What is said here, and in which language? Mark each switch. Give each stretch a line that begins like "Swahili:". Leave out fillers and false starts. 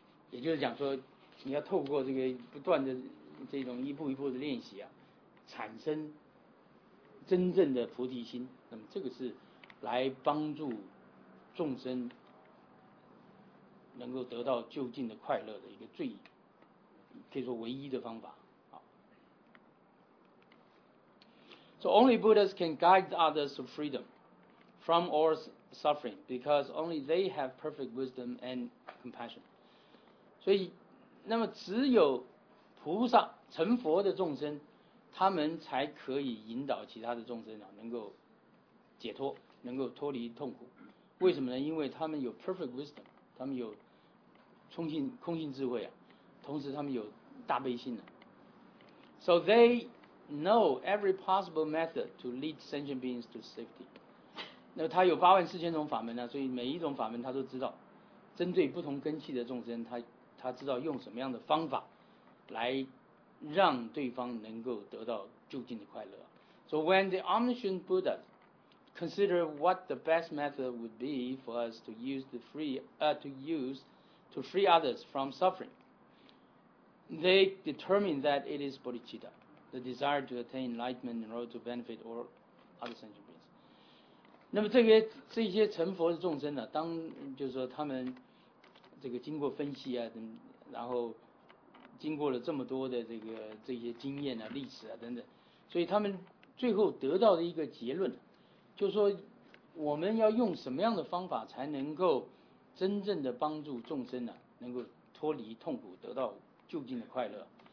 Chinese: 也就是讲说，你要透过这个不断的这种一步一步的练习啊，产生真正的菩提心。那么这个是来帮助众生能够得到究竟的快乐的一个最可以说唯一的方法。
English: So only Buddhas can guide others to freedom from all suffering because only they have perfect wisdom and compassion.
Chinese: 所以那么只有菩萨成佛的众生，他们才可以引导其他的众生、啊、能够解脱，能够脱离痛苦。为什么呢？因为他们有
English: perfect wisdom，
Chinese: 他们有空性智慧、啊、同时他们有大悲心、啊、
English: So they know every possible method to lead sentient beings to safety。
Chinese: 那他有八万四千种法门、啊、所以每一种法门他都知道，针对不同根器的众生，他知道用什么样的方法来让对方能够得到究竟的快乐。
English: So when the omniscient Buddha consider what the best method would be for us to use the free、to free others from suffering, they determine that it is bodhicitta, the desire to attain enlightenment in order to benefit all other sentient beings.
Chinese: 那么这些成佛的众生呢、啊，当就是说他们这个经过分析啊，然后经过了这么多的这些经验啊、历史啊等等，所以他们最后得到的一个结论，就是说我们要用什么样的方法才能够真正的帮助众生呢、啊，能够脱离痛苦，得到究竟的快乐。